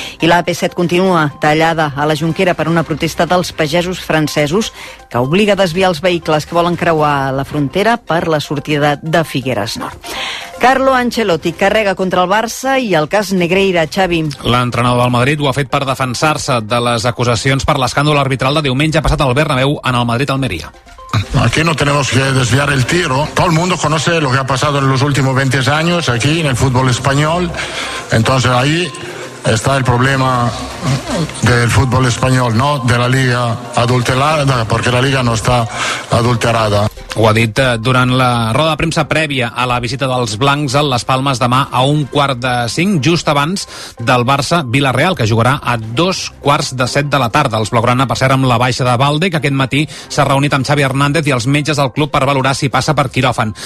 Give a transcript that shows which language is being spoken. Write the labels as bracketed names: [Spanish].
[Catalan] I la AP7 continua tallada a la Jonquera per una protesta dels pagesos francesos que obliga a desviar els vehicles que volen creuar la frontera per la sortida de Figueres Nord. Carlo Ancelotti carrega contra el Barça i el cas Negreira, Xavi. L'entrenador del Madrid ho ha fet per defensar-se de les acusacions per l'escàndol arbitral de diumenge passat al Bernabéu en el Madrid-Almeria. [Spanish] Aquí no tenemos que desviar el tiro. Todo el mundo conoce lo que ha pasado en los últimos 20 años aquí en el fútbol español. Entonces ahí está el problema del fútbol español, no de la liga adulterada, porque la liga no está adulterada. [Catalan] Ho ha dit durant la roda de premsa prèvia a la visita dels blancs a Les Palmes demà a 4:45, just abans del Barça-Villarreal, que jugarà a 6:45 de la tarda. Els blaugrana, per cert, amb la baixa de Balde, que aquest matí s'ha reunit amb Xavi Hernández i els metges del club per valorar si passa per quiròfan.